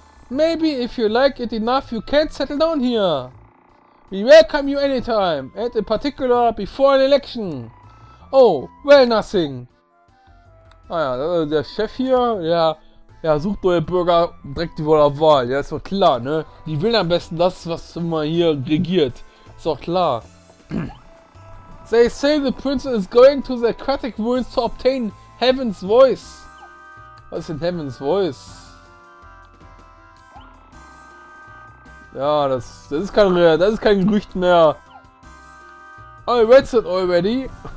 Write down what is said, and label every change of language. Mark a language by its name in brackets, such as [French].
[English] Maybe if you like it enough, you can't settle down here. We welcome you anytime, and in particular before an election. Oh, well, nothing. [German] Ah ja, der Chef hier, der sucht neue Bürger direkt vor der Wahl. Ja, ist doch klar, ne? Die will am besten das, was immer hier regiert. Ist doch klar. [English] They say the prince is going to the aquatic ruins to obtain Heaven's Voice. [German] Was ist denn Heaven's Voice? Ja, das ist kein Gerücht mehr. [English] I read that already.